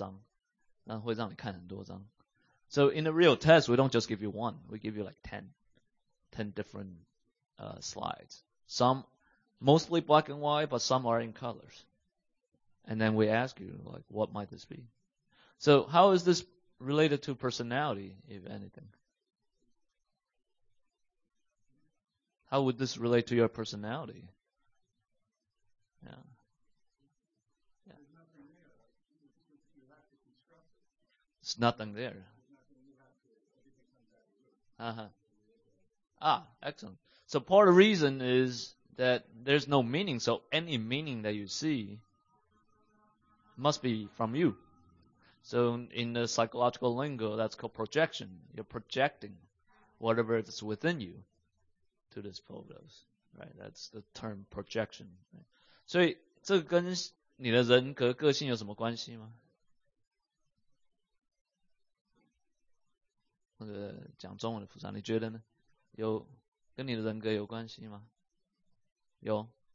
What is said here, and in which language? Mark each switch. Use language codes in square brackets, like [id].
[zh] 你觉得这个是这不是真正的我们用的测试？但是我们真正的测试长得也跟这个差不多了，而且我们一次给你个10张，对，所以不会给你只1张，那会让你看很多张。 [en] So in the real test, we don't just give you one. We give you like 10 different slides. Some mostly black and white, but some are in colors. And then we ask you, like, what might this be? So how is this related to personality, if anything? How would this relate to your personality? Yeah. It's nothing there. Excellent. So part of the reason is that there's no meaning, so any meaning that you see must be from you. So in the psychological lingo, that's called projection. You're projecting whatever is within you to this photos, right? That's the term projection. Right? [zh] 所以这跟你的人格个性有什么关系吗? 讲中文的服装，你觉得呢？有跟你的人格有关系吗？有。